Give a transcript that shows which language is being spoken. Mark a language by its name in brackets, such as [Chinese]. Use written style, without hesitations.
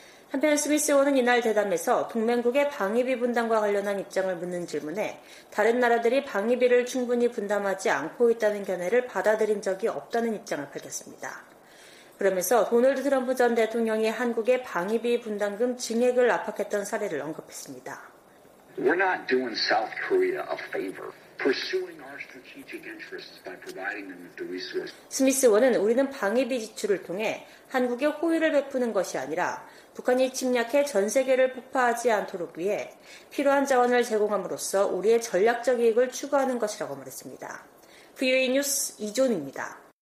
[Korean] 한편 스미스 의원은 이날 대담에서 동맹국의 방위비 분담과 관련한 입장을 묻는 질문에 다른 나라들이 방위비를 충분히 분담하지 않고 있다는 견해를 받아들인 적이 없다는 입장을 밝혔습니다. 그러면서 도널드 트럼프 전 대통령이 한국의 방위비 분담금 증액을 압박했던 사례를 언급했습니다. [English] We're not doing South Korea a favor. Pursuing our strategic interests by providing them with the resources. [Korean] 스미스 의원은 우리는 방위비 지출을 통해 한국에 호의를 베푸는 것이 아니라 북한이 침략해 전 세계를 폭파하지 않도록 위해 필요한 자원을 제공함으로써 우리의 전략적 이익을 추구하는 것이라고 말했습니다. VOA 뉴스 이존입니다.